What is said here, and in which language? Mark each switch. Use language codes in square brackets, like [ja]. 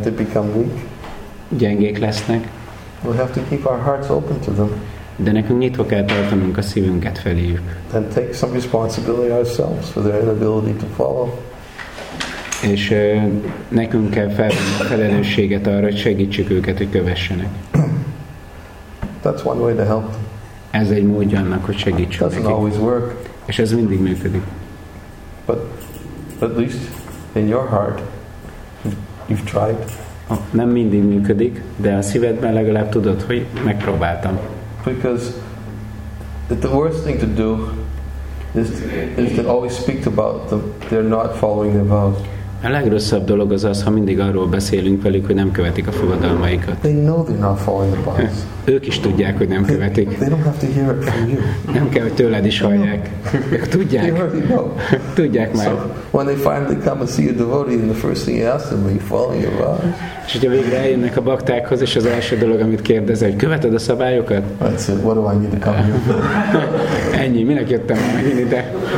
[en] They become weak. [hu] Gyengék lesznek. [en] We have to keep our hearts open to them. [hu] De nekünk nyitva kell tartanunk a szívünket feléjük. [en] Then take some responsibility ourselves for their inability to follow. [hu] És nekünk kell felvenni a felelősséget arra, hogy segítsük őket, hogy kövessenek. [en] That's one way to help them. [hu] Ez egy módja annak, hogy segítsük nekik. [en] Doesn't always work. [hu] És ez mindig működik. [en] But at least in your heart, you've tried. [hu] Nem mindig működik, de a szívedben legalább tudod, hogy megpróbáltam. [en] Because the worst thing to do is to always speak about them, they're not following their vows. [hu] A legrosszabb dolog az az, ha mindig arról beszélünk velük, hogy nem követik a fogadalmaikat. [en] They know they're not following the vows. [hu] Ők is tudják, hogy nem követik. [en] They don't have to hear it from you. [hu] Nem kell, hogy tőled is hallják. Ők tudják. [en] They already know. [hu] Tudják már. [en] So when they finally come and see a devotee, and the first thing you ask them, are you following your vows? [hu] És hogyha végre eljönnek a baktákhoz, és az első dolog, amit kérdez, hogy követed a szabályokat? [en] That's it. What do I need to come here? [hu] Ennyi. Minek jöttem megint ide?